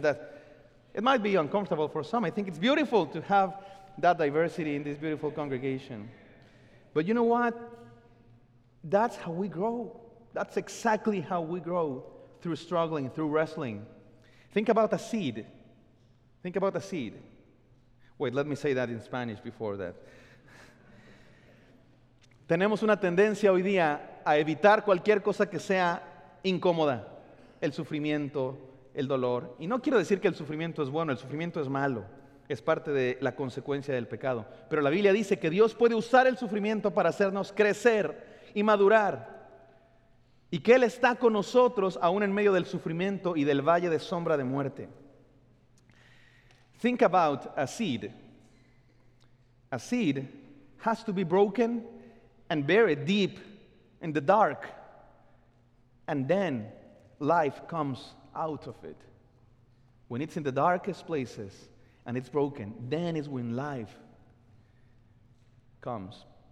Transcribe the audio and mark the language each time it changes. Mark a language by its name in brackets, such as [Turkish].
[English] That it might be uncomfortable for some. I think it's beautiful to have that diversity in this beautiful congregation. But you know what? That's how we grow. That's exactly how we grow, through struggling, through wrestling. Think about a seed. Think about a seed. Wait, let me say that in Spanish before that. [Spanish] Tenemos una tendencia hoy día a evitar cualquier cosa que sea incómoda. El sufrimiento, el dolor. Y no quiero decir que el sufrimiento es bueno, el sufrimiento es malo. Es parte de la consecuencia del pecado. Pero la Biblia dice que Dios puede usar el sufrimiento para hacernos crecer y madurar. Y que Él está con nosotros aún en medio del sufrimiento y del valle de sombra de muerte. [English] Think about a seed. A seed has to be broken and buried deep in the dark. And then life comes out of it. When it's in the darkest places and it's broken, then is when life comes.